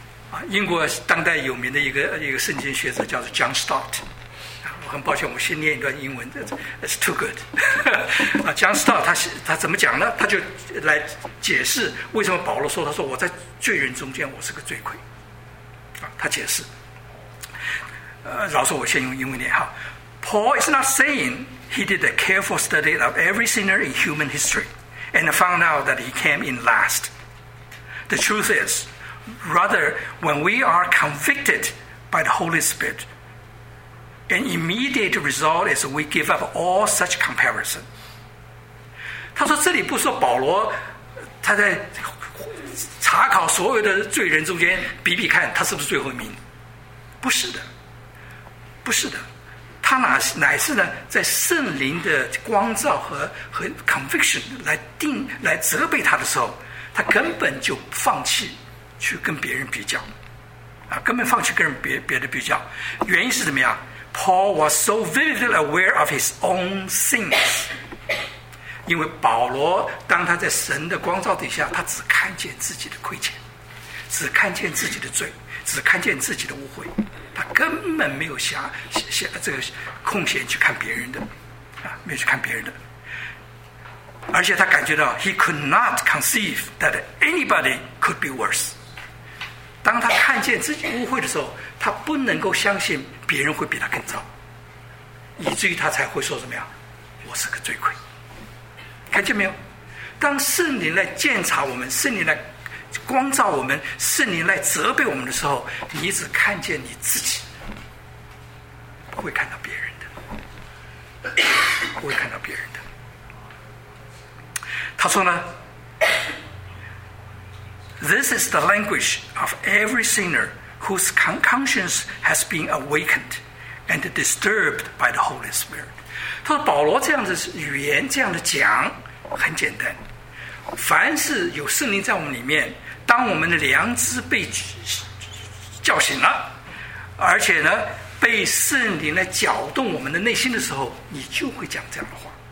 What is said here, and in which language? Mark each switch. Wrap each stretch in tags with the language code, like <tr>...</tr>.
<zh>啊，英国当代有名的一个圣经学者叫做 John Stott。我很抱歉，我先念一段英文 ，</zh> <en>It's too good。</en> <zh>啊 ，John Stott 他怎么讲呢？他就来解释为什么保罗说，他说我在罪人中间，我是个罪魁。啊，他解释。饶恕我先用英文念哈。</zh> <en>Paul is not saying he did a careful study of every sinner in human history and found out that he came in last. The truth is, rather, when we are convicted by the Holy Spirit, an immediate result is we give up all such comparison.</en> <zh>他说这里不说保罗他在查考所有的罪人中间比比看他是不是最后一名。不是的。不是的。他乃是呢，在圣灵的光照和 conviction 来责备他的时候，他根本就放弃去跟别人比较，啊，根本放弃跟别的比较。原因是怎么样 ？</zh> <en>Paul was so vividly aware of his own sins，</en> <zh>因为保罗当他在神的光照底下，他只看见自己的亏欠，只看见自己的罪，只看见自己的污秽。他根本没有这个空闲去看别人的，啊，没有去看别人的。而且他感觉到</zh> <en>he could not conceive that anybody could be worse。</en> <zh>当他看见自己污秽的时候，他不能够相信别人会比他更糟，以至于他才会说什么呀？我是个罪魁。看见没有？当圣灵来鉴察我们，圣灵来光照我们，圣灵来责备我们的时候，你只看见你自己，不会看到别人的，不会看到别人的。他说呢</zh> <en>，This is the language of every sinner whose conscience has been awakened and disturbed by the Holy Spirit。</en> <zh>他说保罗这样的语言，这样的讲很简单，凡是有圣灵在我们里面。当我们的良知被叫醒了，而且呢，被圣灵来搅动我们的内心的时候，你就会讲这样的话。</zh>